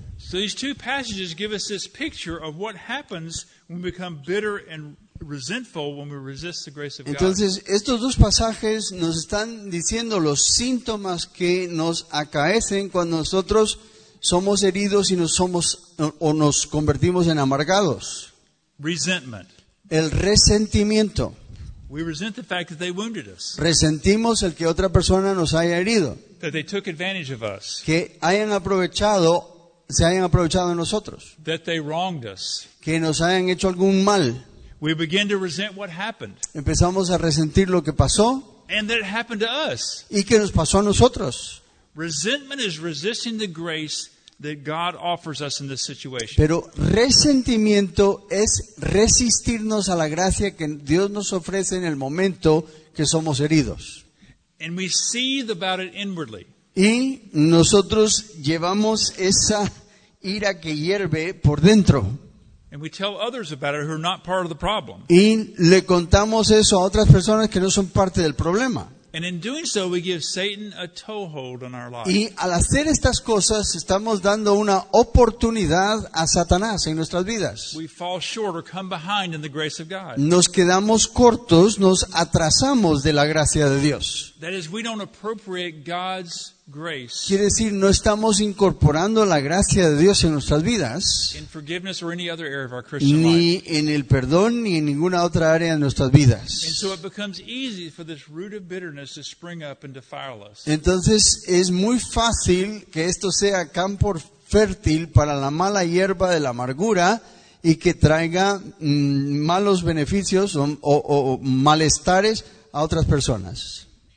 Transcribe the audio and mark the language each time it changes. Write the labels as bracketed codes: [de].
[en] So these two passages give us this picture of what happens when we become bitter and resentful when we resist the grace of God. [es] Entonces, estos dos pasajes nos están diciendo los síntomas que nos acaecen cuando nosotros somos heridos y nos somos o nos convertimos en amargados. [en] Resentment. [es] El resentimiento. [en] We resent the fact that they wounded us. [es] Resentimos el que otra persona nos haya herido. [en] That they took advantage of us. [es] Que hayan aprovechado, se hayan aprovechado de nosotros. [en] That they wronged us. [es] Que nos hayan hecho algún mal. [en] We begin to resent what happened. [es] Empezamos a resentir lo que pasó. [en] And that it happened to us. [es] Y que nos pasó a nosotros. [en] Resentment is resisting the grace that God offers us in this situation. [es] Pero resentimiento es resistirnos a la gracia que Dios nos ofrece en el momento que somos heridos. [en] And we seethe about it inwardly. [es] Y nosotros llevamos esa ira que hierve por dentro. [en] And we tell others about it who are not part of the problem. [es] Y le contamos eso a otras personas que no son parte del problema. [en] And in doing so, we give Satan a toehold on our life. [es] Y al hacer estas cosas, estamos dando una oportunidad a Satanás en nuestras vidas. [en] We fall short or come behind in the grace of God. [es] Nos quedamos cortos, nos atrasamos de la gracia de Dios. [en] That is, we don't appropriate God's grace. [es] Quiere decir, no estamos incorporando la gracia de Dios en nuestras vidas. [en] In forgiveness or any other area of our Christian [es] ni [en] life. [es] Ni en el perdón ni en ninguna otra área de nuestras vidas. [en] And so it becomes easy for this root of bitterness to spring up and defile us. [es] Entonces es muy fácil que esto sea campo fértil para la mala hierba de la amargura y que traiga malos beneficios o malestares a otras personas.